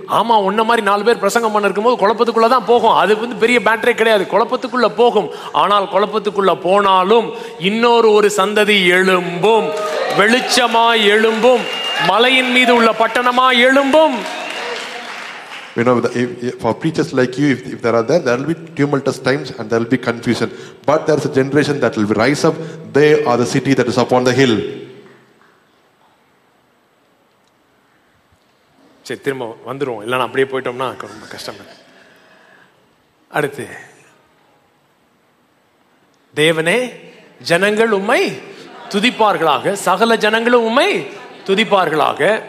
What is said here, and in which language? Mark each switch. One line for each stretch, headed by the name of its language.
Tamil: ஆமா, உன்ன மாதிரி நாலு பேர் பிரசங்கம் பண்ணிருக்கும்போது குழப்பத்துக்குள்ள தான் போகும். அது வந்து பெரிய பேட்டரே கிடையாது, குழப்பத்துக்குள்ள போகும். ஆனால் குழப்பத்துக்குள்ள போனாலும் இன்னொரு ஒரு சந்ததி எழும்பும், வெளிச்சமா எழும்பும், மலையின் மீது உள்ள பட்டணமா எழும்பும்.
English: You know, for preachers like you, if there are there will be tumultuous times and there will be confusion, but there's a generation that will rise up. They are the city that is upon the hill.
Tamil: சரி, திரும்ப வந்துடுவோம், இல்லைனா அப்படியே போயிட்டோம்னா ரொம்ப கஷ்டம். அடுத்து, தேவனே ஜனங்கள் உம்மை துதிப்பார்களாக, சகல ஜனங்களும் உம்மை துதிப்பார்களாக.